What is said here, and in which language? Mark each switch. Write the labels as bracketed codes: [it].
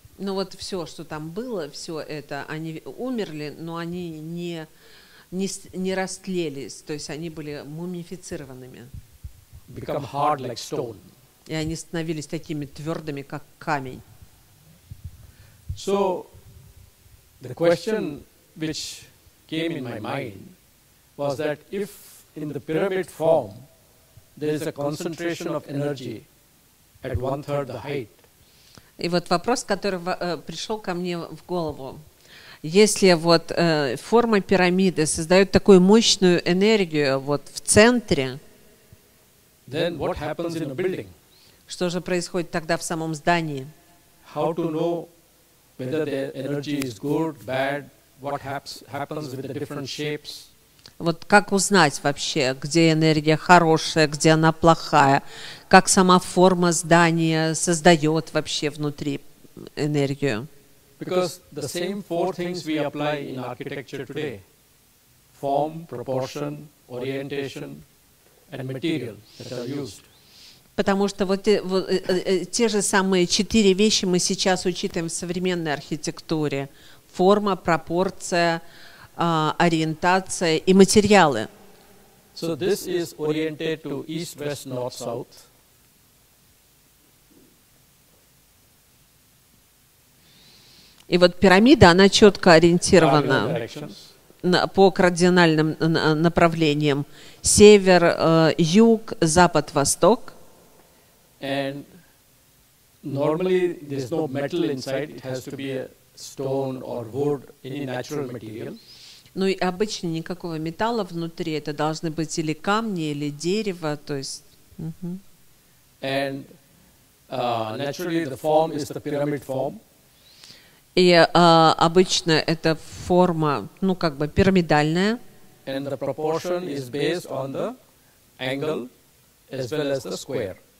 [ru] Ну вот все, что там было, все это, они умерли, но они не не растлелись, то есть они были мумифицированными. [en] Become hard like stone. [ru] И они становились такими твердыми, как камень. [en] So, the question which came in my mind was that if in the pyramid form there is a concentration of energy at one-third the height. [ru] И вот вопрос, который пришел ко мне в голову. Если вот форма пирамиды создает такую мощную энергию вот в центре, [en] then what happens in a building? [ru] Что же происходит тогда в самом здании? [en] How to know whether the energy is good, bad, what happens with the different shapes? [ru] Вот как узнать вообще, где энергия хорошая, где она плохая? Как сама форма здания создает вообще внутри энергию? [en] Because the same four things we apply in architecture today. Form, proportion, orientation, and material that are used. [ru] Потому что вот те же самые четыре вещи мы сейчас учитываем в современной архитектуре. Форма, пропорция, ориентация и материалы. [en] So this is oriented to east, west, north, south. [ru] И вот пирамида, она четко ориентирована по кардинальным направлениям. Север, юг, запад, восток. [en] And normally there's no metal inside. It has to be a stone or wood, any natural material. [ru] Ну и обычно никакого металла внутри. Это должны быть или камни, или дерево, то есть. [en] And naturally the form is the pyramid form. [ru] И обычно это форма, ну как бы пирамидальная. [en] And the proportion is based on the angle as well as the square.